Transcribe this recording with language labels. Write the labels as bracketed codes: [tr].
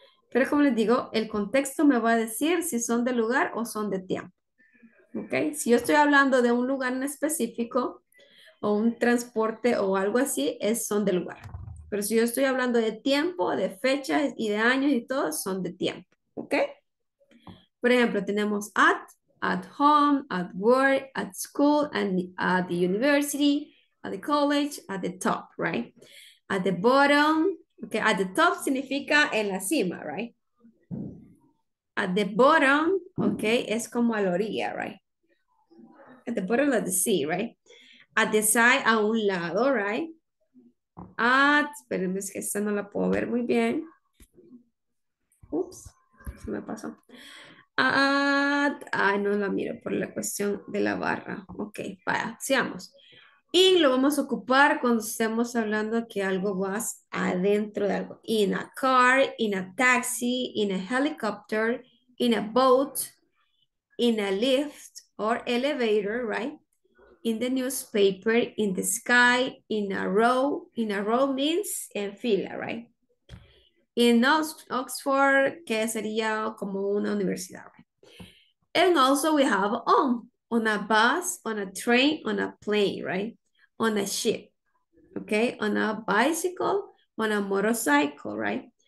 [es] Pero como les digo, el contexto me va a decir si son de lugar o son de tiempo. Okay. Si yo estoy hablando de un lugar en específico o un transporte o algo así, es, son de lugar. Pero si yo estoy hablando de tiempo, de fechas y de años y todo, son de tiempo. [en] Okay. [es] Por ejemplo, tenemos [en] at home, at work, at school, and at the university, at the college, at the top, right? At the bottom, okay, at the top [es] significa en la cima, [en] right? At the bottom, okay, [es] es como a la orilla, [en] right? At the bottom of the sea, right? At the side, [es] a un lado, [en] right? [es] At, espérenme, es que esta no la puedo ver muy bien. Oops. se me pasó. At, ay, no la miro por la cuestión de la barra. Ok, vaya, sigamos. In lo vamos a ocupar cuando estemos hablando que algo vas adentro de algo. [en] In a car, in a taxi, in a helicopter, in a boat, in a lift or elevator, right? In the newspaper, in the sky, in a row means [es] en fila, [en] right? [es] In Oxford, que sería como una universidad, right? [en] And also we have on a bus, on a train, on a plane, right? On a ship, okay? On a bicycle, on a motorcycle, right?